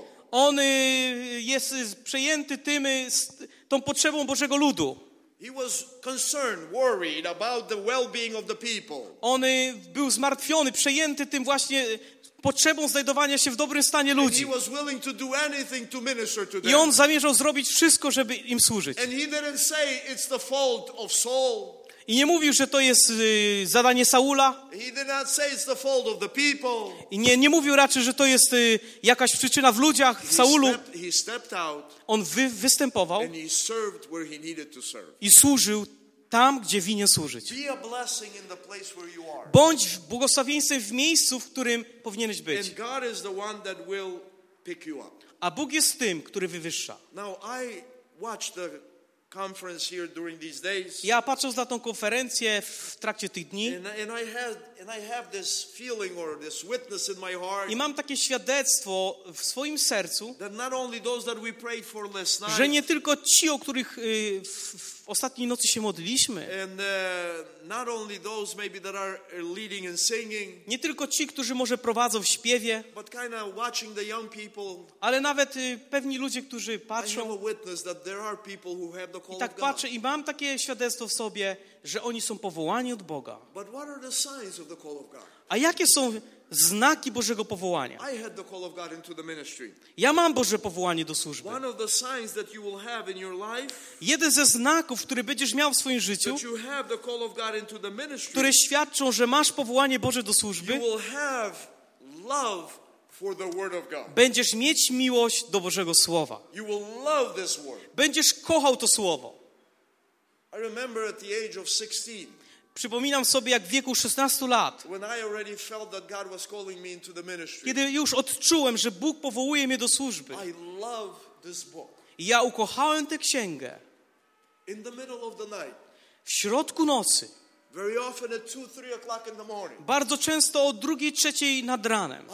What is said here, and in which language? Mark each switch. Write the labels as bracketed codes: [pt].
[pl] On jest przejęty tym, tą potrzebą Bożego ludu. [en] He was concerned, worried about the well-being of the people. [pl] On był zmartwiony, przejęty tym właśnie potrzebą znajdowania się w dobrym stanie ludzi. [en] And he was willing to do anything to minister to them. [pl] I on zamierzał zrobić wszystko, żeby im służyć. [en] And he didn't say it's the fault of Saul. [pl] I nie mówił, że to jest zadanie Saula. [en] He did not say it's the fault of the people. [pl] I nie mówił raczej, że to jest jakaś przyczyna w ludziach, w Saulu. [en] He stepped out. [pl] On występował. [en] And he served where he needed to serve. [pl] I służył tam, gdzie winien służyć. [en] Be a blessing in the place where you are. [pl] Bądź błogosławieństwem w miejscu, w którym powinieneś być. [en] And God is the one that will pick you up. [pl] A Bóg jest tym, który wywyższa. [en] Now I watch the conference here during these days. [pl] Ja patrzę na tą konferencję w trakcie tych dni. [en] And I have this feeling or this witness in my heart. [pl] I mam takie świadectwo w swoim sercu. [en] That not only those that we prayed for last night. [pl] Że nie tylko ci, o których w ostatniej nocy się modliliśmy. [en] And not only those maybe that are leading and singing. [pl] Nie tylko ci, którzy może prowadzą w śpiewie. [en] But kind of watching the young people. [pl] Ale nawet pewni ludzie, którzy patrzą. [en] I have a witness that there are people who have the call of God. [pl] I tak patrzę i mam takie świadectwo w sobie, że oni są powołani od Boga. [en] But what are the signs of the call of God? [pl] A jakie są znaki Bożego powołania? [en] I had the call of God into the ministry. [pl] Ja mam Boże powołanie do służby. [en] One of the signs that you will have in your life, [pl] jeden ze znaków, który będziesz miał w swoim życiu, [en] that you have the call of God into the ministry, [pl] które świadczą, że masz powołanie Boże do służby, [en] you will have love for the word of God. [pl] Będziesz mieć miłość do Bożego Słowa. [en] You will love this word. [pl] Będziesz kochał to Słowo. [en] I remember at the age of 16, [pl] przypominam sobie, jak w wieku 16 lat, [en] when I already felt that God was calling me into the ministry, [pl] kiedy już odczułem, że Bóg powołuje mnie do służby, [en] I love this book. [pl] Ja ukochałem tę księgę. [en] In the middle of the night, [pl] w środku nocy, [en] very often at 2-3 o'clock in the morning, [pl] bardzo często o 2-3 nad ranem,